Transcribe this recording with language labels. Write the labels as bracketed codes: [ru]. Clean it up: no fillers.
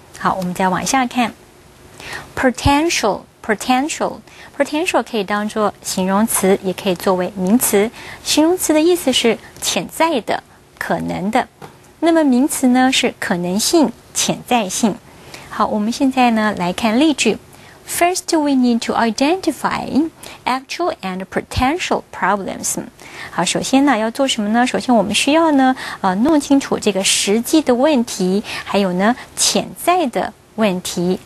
[zh] 好，我们再往下看。Potential 可以当作形容词，也可以作为名词。形容词的意思是潜在的，可能的。那么名词呢，是可能性。潜在性。好，我们现在呢来看例句。 [en] First, we need to identify actual and potential problems. [zh] 好，首先呢要做什么呢？首先我们需要呢弄清楚这个实际的问题，还有呢潜在的问题。